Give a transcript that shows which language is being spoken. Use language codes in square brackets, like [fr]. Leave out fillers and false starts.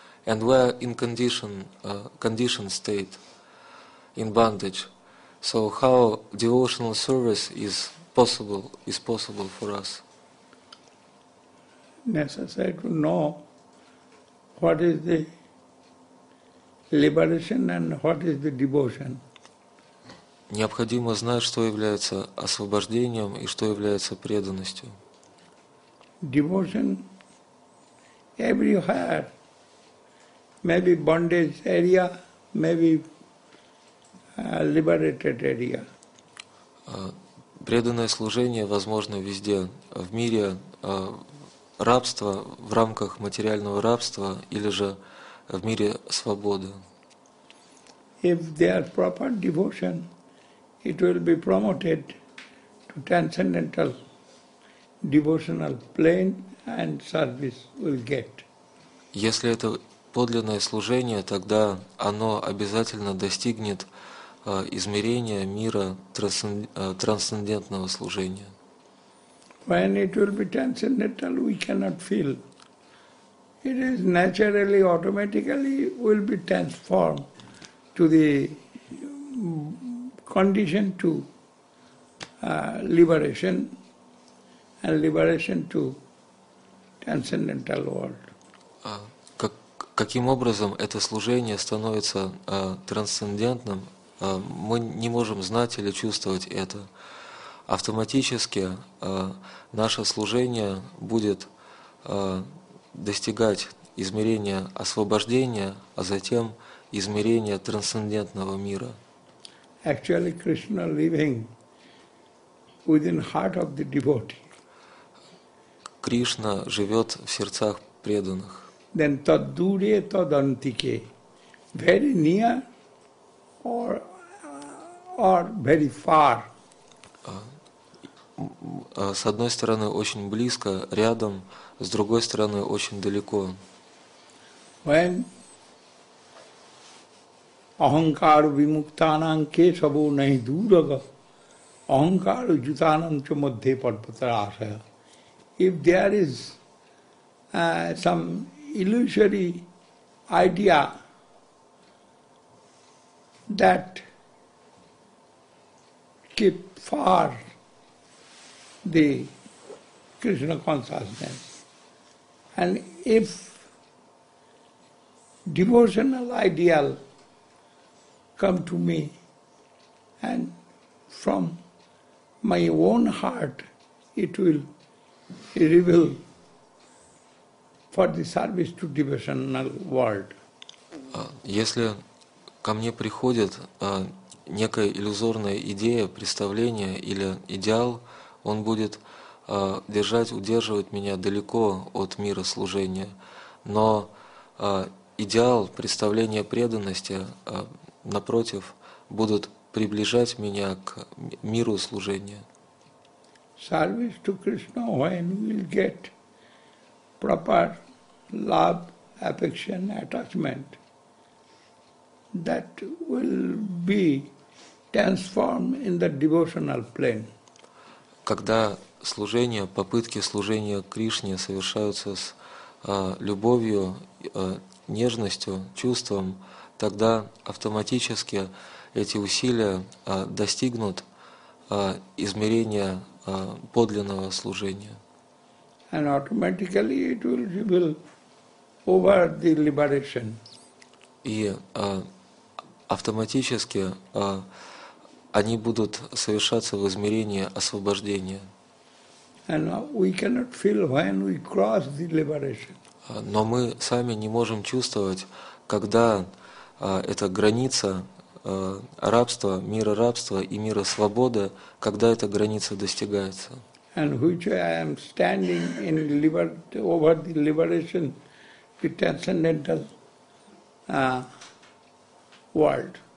[en] And we are in conditioned state, in bondage. So how devotional service is possible for us. Necessary to know what is the liberation and what is the devotion. [ru] Необходимо знать, что является освобождением и что является преданностью. [en] Devotion everywhere, maybe bondage area, maybe liberated area. [ru] Преданное служение возможно везде, в мире рабства, в рамках материального рабства или же в мире свободы. [en] If there is proper devotion, it will be promoted to transcendental devotional plane and service will get. [ru] Если это подлинное служение, тогда оно обязательно достигнет измерения мира трансцендентного служения. [en] When it will be transcendental, we cannot feel. It is naturally, automatically will be transformed to the condition to liberation and liberation to transcendental world. [ru] Каким образом это служение становится трансцендентным? Мы не можем знать или чувствовать это. Автоматически наше служение будет достигать измерения освобождения, а затем измерения трансцендентного мира. [en] Actually, Krishna living within heart of the devotee. [ru] Кришна живет в сердцах преданных. [en] Then [sa] taddure tadantike, [en] very near or very far. [ru] С одной стороны очень близко, рядом, с другой стороны очень далеко. [sa] When ahankara vimuktanam kesavo nahi duraga, ahankara yutanam cha madhye parpatra asaya. [en] If there is some illusory idea that keep far the Krishna consciousness, and if devotional ideal come to me and from my own heart it will reveal for the service to devotional world. [ru] Если ко мне приходит некая иллюзорная идея, представление или идеал, он будет держать, удерживать меня далеко от мира служения. Но идеал, представление преданности, напротив, будут приближать меня к миру служения. [en] Service to Krishna, when we will get proper love, affection, attachment, that will be transformed in the devotional plane. [ru] Когда служение, попытки служения Кришне совершаются с любовью, нежностью, чувством, тогда автоматически эти усилия достигнут измерения подлинного служения. [en] And automatically it will reveal over the liberation. [ru] И автоматически они будут совершаться в измерении освобождения. [en] And we cannot feel when we cross the liberation. [ru] Но мы сами не можем чувствовать, когда эта граница рабства, мира рабства и мира свободы, когда эта граница достигается. [en] And which I am standing in over the liberation, the transcendental world.